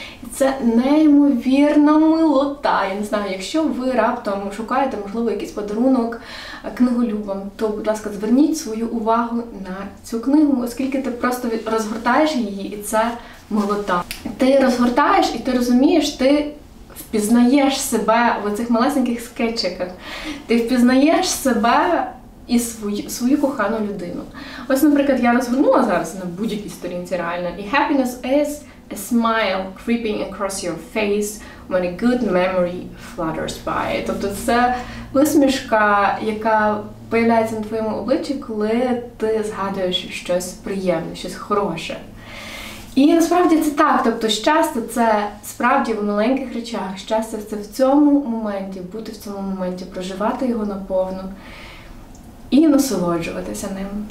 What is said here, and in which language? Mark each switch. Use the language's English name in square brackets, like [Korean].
[Ukrainian] І це неймовірна милота. Я не знаю, якщо ви раптом шукаєте, можливо, якийсь подарунок книголюбам, то, будь ласка, зверніть свою увагу на цю книгу, оскільки ти просто розгортаєш її, і це милота. Ти розгортаєш, і ти розумієш, ти впізнаєш себе в оцих малесеньких скетчиках. Ти впізнаєш себе і свою кохану людину. Ось, наприклад, я розгорнула зараз на будь-якій сторінці реально. [English] І happiness is a smile creeping across your face when a good memory flutters by. [Ukrainian] Тобто це усмішка, яка появляється на твоєму обличчі, коли ти згадуєш щось приємне, щось хороше. І насправді це так. Тобто щастя – це справді в маленьких речах. Щастя – це в цьому моменті, бути в цьому моменті, проживати його наповну і насолоджуватися ним.